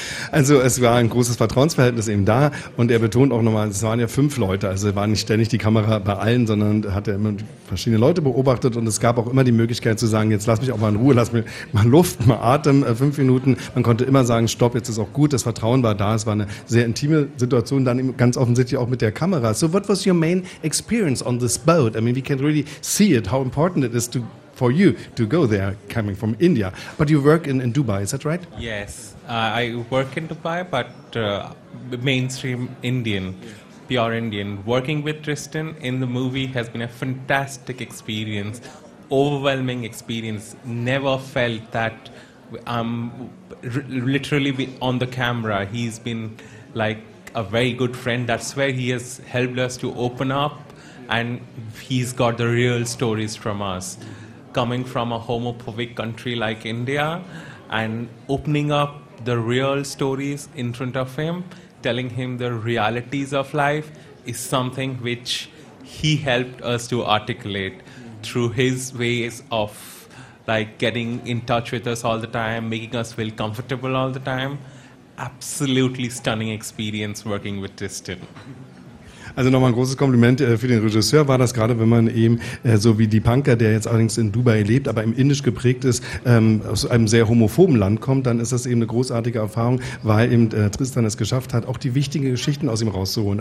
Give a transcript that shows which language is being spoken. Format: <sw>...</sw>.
<de>Also es war ein großes Vertrauensverhältnis eben da und er betont auch nochmal, es waren ja 5 Leute, also war nicht ständig die Kamera bei allen, sondern hat er immer verschiedene Leute beobachtet und es gab auch immer die Möglichkeit zu sagen, jetzt lass mich auch mal in Ruhe, lass mir mal Luft, mal Atem, 5 Minuten. Man konnte immer sagen, stopp, jetzt ist auch gut, das Vertrauen war da, es war eine sehr intime Situation, dann ganz offensichtlich auch mit der Kamera.</de> <en>So what was your main experience on this boat? I mean, we can really see it, how important it is to for you to go there coming from India. But you work in Dubai, is that right? Yes, I work in Dubai, but mainstream Indian, pure Indian. Working with Tristan in the movie has been a fantastic experience, overwhelming experience. Never felt that I'm literally on the camera. He's been like a very good friend. That's where he has helped us to open up, and he's got the real stories from us. Coming from a homophobic country like India and opening up the real stories in front of him, telling him the realities of life is something which he helped us to articulate through his ways of like getting in touch with us all the time, making us feel comfortable all the time. Absolutely stunning experience working with Tristan.</en> <de>Also nochmal ein großes Kompliment für den Regisseur war das gerade, wenn man eben so wie die Punker, der jetzt allerdings in Dubai lebt, aber im Indisch geprägt ist, aus einem sehr homophoben Land kommt, dann ist das eben eine großartige Erfahrung, weil eben Tristan es geschafft hat, auch die wichtigen Geschichten aus ihm rauszuholen.</de>